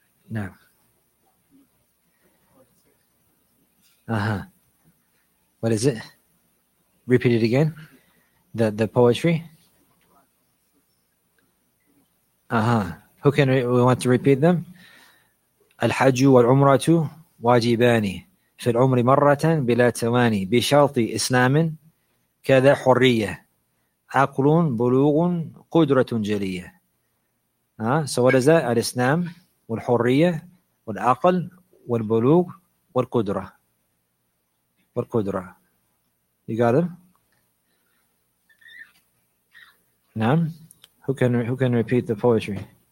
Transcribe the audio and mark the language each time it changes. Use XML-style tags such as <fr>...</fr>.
<en>No. What is it? Repeat it again. The poetry. Who can we want to repeat them?</en> <ar>الحج والعمرة واجبان في العمر مرة بلا تواني بشرط إسلام كذا حرية عقل بلوغ قدرة جلية.</ar> <en>So what is that?</en> <ar>الإسلام والحرية والعقل والبلوغ والقدرة والقدرة.</ar> <en>You got them?</en> <ar>نعم.</ar> <en>Who can repeat the poetry?</en>